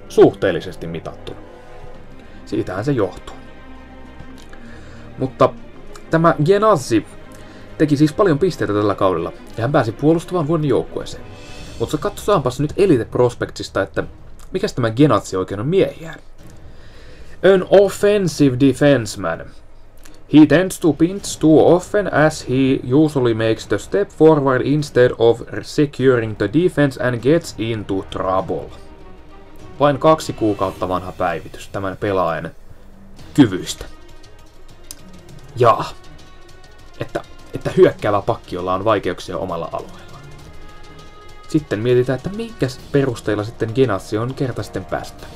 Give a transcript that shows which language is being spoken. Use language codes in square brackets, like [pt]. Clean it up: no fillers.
[fi] Suhteellisesti mitattuna. Siitähän se johtuu. Mutta tämä Genazzi teki siis paljon pisteitä tällä kaudella, ja hän pääsi puolustamaan vuoden joukkueeseen. Mutta katsotaanpas nyt Elite Prospectsista, että mikäs tämä Genazzi oikein on miehiä. [en] An offensive defenseman. He tends to pinch too often as he usually makes the step forward instead of securing the defense and gets into trouble. [fi] Vain 2 kuukautta vanha päivitys tämän pelaajan kyvystä. Jaa. Että hyökkäävä pakki, jolla on vaikeuksia omalla alueella. Sitten mietitään, että minkä perusteella sitten Genazzi on kerta sitten päästä.